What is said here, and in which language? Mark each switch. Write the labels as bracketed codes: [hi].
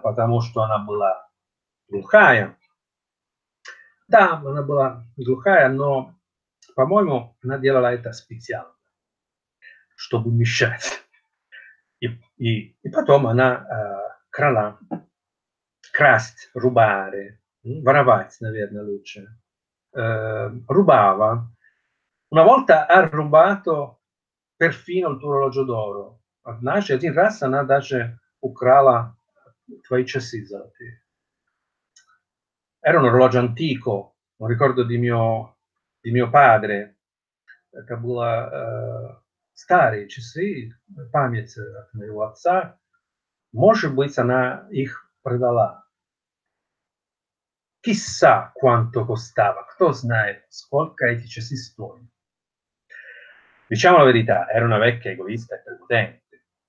[ru] Потому что она была глухая. Да, она была глухая, но, по-моему, она делала это специально, чтобы мешать. И потом она крала, красть, рубаре, воровать, наверное, лучше. Рубава. [it] Una volta ha rubato perfino il tuo orologio d'oro. [ru] Однажды, один раз она даже украла твои часы золотые. [it] Era un orologio antico, un ricordo di mio padre. [ru] Это было старые часы, память от моего отца. Может быть, она их продала. [it] Chissà quanto costava. [ru] Кто знает, сколько эти часы стоят. [it] Diciamo la verità, era una vecchia egoista e prepotente.